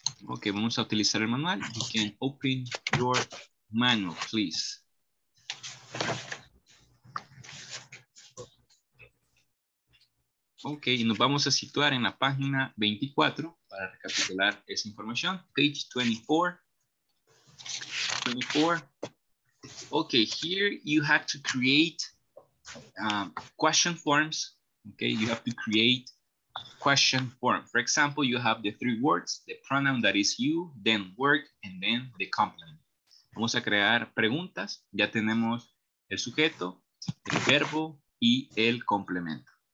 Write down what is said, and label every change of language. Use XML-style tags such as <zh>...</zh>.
<en>Ok, vamos a utilizar el manual. You can open your manual, please.</en> <es>Ok, y nos vamos a situar en la página 24 para recapitular esa información.</es> <en>Page 24. Ok, here you have to create question forms. Ok, you have to create question form. For example, you have the three words, the pronoun that is you, then work, and then the complement.</en> <es>Vamos a crear preguntas. Ya tenemos el sujeto, el verbo y el complemento.</es>